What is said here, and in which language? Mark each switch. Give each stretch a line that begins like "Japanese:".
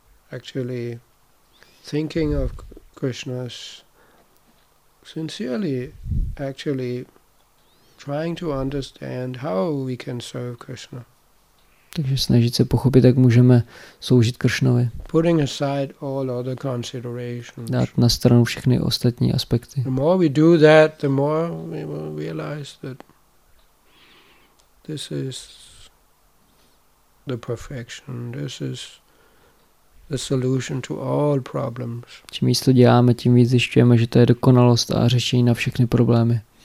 English: Actually, thinking of Krishna's sincerely, actually trying to understand how we can serve Krishna.
Czech: Takže snažit se pochopit, jak můžeme sloužit Kršnovi.
English: Putting aside all other considerations.
Czech: Dát na stranu všechny ostatní aspekty.
English: The more we do that, the more we will realize that this is the perfection. This is the solution to all problems.
Czech: Čím víc to děláme, tím víc zjišťujeme, že to je dokonalost a řešení na všechny problémy.